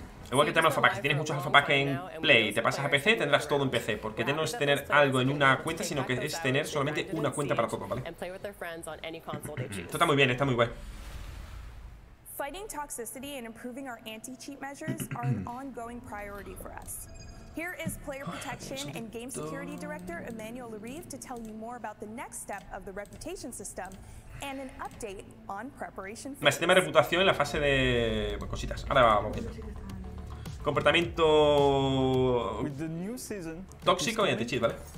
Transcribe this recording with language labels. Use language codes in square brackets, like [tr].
[es] Igual que tener alpha pack, si tienes muchos alpha pack en Play y te pasas a PC, tendrás todo en PC, porque no es tener algo en una cuenta, sino que es tener solamente una cuenta para todo, ¿vale? Esto está muy bien, está muy guay. [en] Fighting toxicity and improving our anti-cheat measures are an ongoing priority for us. Here is Player Protection and Game Security Director Emmanuel Larive to tell you more about the next step of the reputation system. And an update on preparation. [es] El sistema de reputación en la fase de pues, cositas. Ahora vamos viendo. Comportamiento tóxico y anti-cheat, ¿vale?